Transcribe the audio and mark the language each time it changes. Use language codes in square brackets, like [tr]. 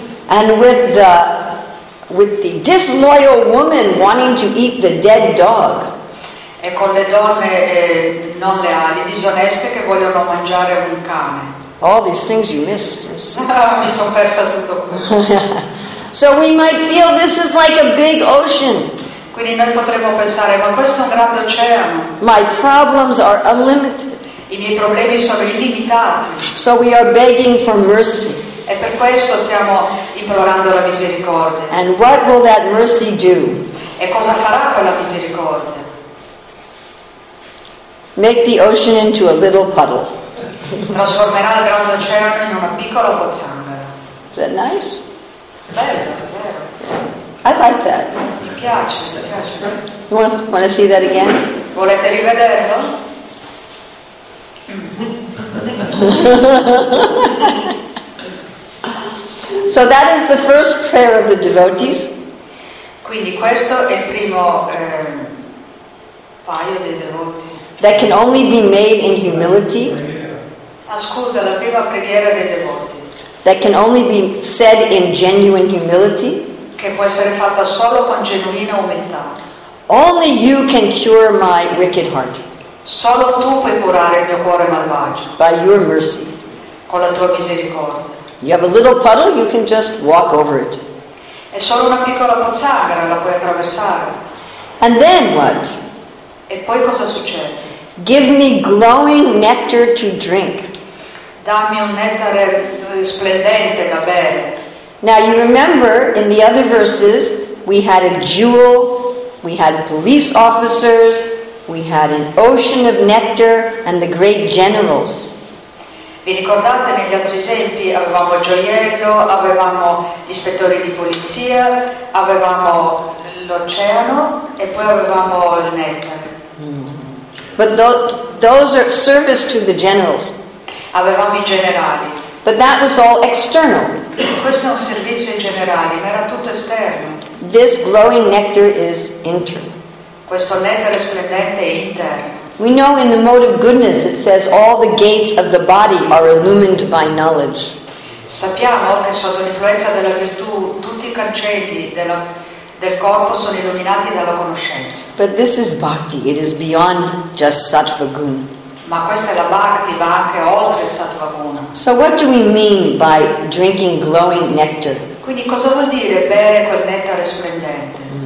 [en] And with the disloyal woman wanting to eat the dead dog. [it] E con le donne non leali, disoneste che vogliono mangiare un cane. [en] All these things you missed. [it] Mi sono persa tutto. [en] So we might feel this is like a big ocean. [it] Quindi noi potremmo pensare, ma questo è un grande oceano. [en] My problems are unlimited. [it] I miei problemi sono illimitati. [en] So we are begging for mercy. [it] E per questo stiamo implorando la misericordia. [en] And what will that mercy do? [it] E cosa farà quella misericordia? [en] Make the ocean into a little puddle. [it] Trasformerà il grande oceano in una piccola pozzanghera. [en] Is that nice? [it] Bello, bello. [en] I like that. [it] Mi piace. [en] You want to see that again? [it] Volete rivederlo? [en] So that is the first prayer of the devotees. [it] Quindi questo è il primo paio dei devoti. [en] That can only be made in humility. [it] Ah, scusa, la prima preghiera dei devoti. [en] That can only be said in genuine humility. [it] Che può essere fatta solo con genuina umiltà. [en] Only you can cure my wicked heart. [it] Solo tu puoi curare il mio cuore malvagio. [en] By your mercy. [it] Con la tua misericordia. [en] You have a little puddle, you can just walk over it. [it] È solo una piccola pozzanghera, la puoi attraversare. [en] And then what? [it] E poi cosa succede? [en] Give me glowing nectar to drink. [it] Dammi un nettare splendente da bere. [en] Now you remember in the other verses we had a jewel, we had police officers, we had an ocean of nectar and the great generals. [it] Vi ricordate negli altri esempi? Avevamo gioiello, avevamo ispettori di polizia, avevamo l'oceano e poi avevamo il nettare. [en] But those are service to the generals. [it] Avevamo i generali. [en] But that was all external. [it] Questo è un servizio in generale, ma era tutto esterno. [en] This glowing nectar is internal. [it] Questo nettare splendente è interno. [en] We know in the mode of goodness it says all the gates of the body are illumined by knowledge. [it] Sappiamo che sotto l'influenza della virtù tutti i cancelli del corpo sono illuminati dalla conoscenza. [en] But this is bhakti, it is beyond just sattva guna. [it] Ma questa è la bhakti, va anche oltre il sattva guna. [en] So what do we mean by drinking glowing nectar? [it] Quindi cosa vuol dire bere quel nettare splendente?